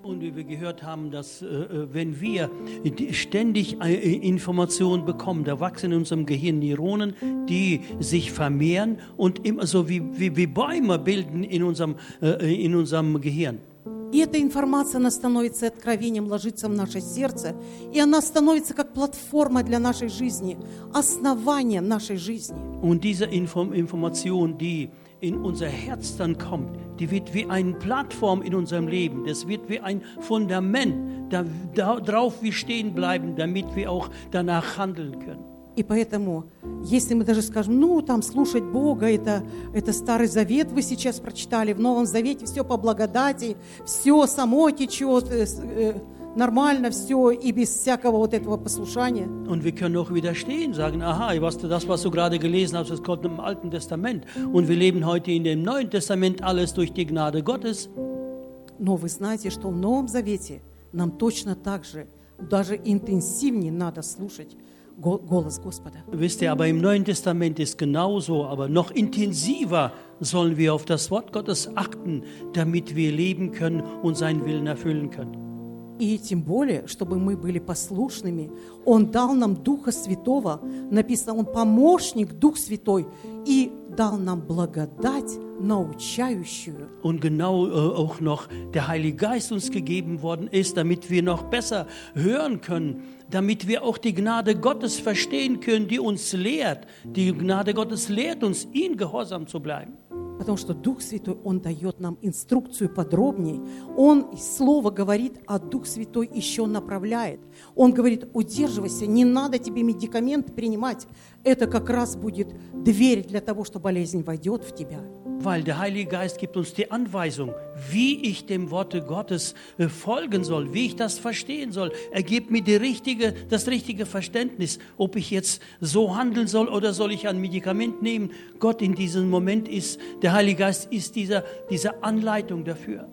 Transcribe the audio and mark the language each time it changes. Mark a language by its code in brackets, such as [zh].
[de] Und wie wir gehört haben, dass wenn wir ständig Informationen bekommen, da wachsen in unserem Gehirn Neuronen, die sich vermehren und immer so wie Bäume bilden in unserem Gehirn. [ru] И эта информация, она становится откровением, ложится в наше сердце, и она становится как платформа для нашей жизни, основание нашей жизни. [de] Und diese Information, die in unser Herz dann kommt, die wird wie eine Plattform in unserem Leben, das wird wie ein Fundament, da drauf wir stehen bleiben, damit wir auch danach handeln können. [ru] И поэтому, если мы даже скажем, ну, там, слушать Бога, это Старый Завет вы сейчас прочитали, в Новом Завете все по благодати, все само течет, нормально все и без всякого вот этого послушания. [de] Und wir können auch widerstehen, sagen, aha, was du gerade gelesen hast, das kommt im Alten Testament. Und wir leben heute in dem Neuen Testament alles durch die Gnade Gottes. [ru] Но вы знаете, что в Новом Завете нам точно так же, даже интенсивнее надо слушать голос Господа. [de] Wisst ihr, aber im Neuen Testament ist genauso, aber noch intensiver sollen wir auf das Wort Gottes achten, damit wir leben können und seinen Willen erfüllen können. [ru] И тем более, чтобы мы были послушными, Он дал нам Духа Святого, написано, Он помощник, Дух Святой, и дал нам благодать научающую. [de] Und genau auch noch der Heilige Geist uns gegeben worden ist, damit wir noch besser hören können, damit wir auch die Gnade Gottes verstehen können, die uns lehrt. Die Gnade Gottes lehrt uns, ihm gehorsam zu bleiben. [ru] Потому что Дух Святой, Он дает нам инструкцию подробнее. Он Слово говорит, а Дух Святой еще направляет. Он говорит, удерживайся, не надо тебе медикамент принимать. Это как раз будет дверь для того, чтобы болезнь войдет в тебя. [de] Weil der Heilige Geist gibt uns die Anweisung, wie ich dem Worte Gottes folgen soll, wie ich das verstehen soll. Er gibt mir das richtige Verständnis, ob ich jetzt so handeln soll oder soll ich ein Medikament nehmen. Gott in diesem Moment ist, der Heilige Geist ist diese Anleitung dafür.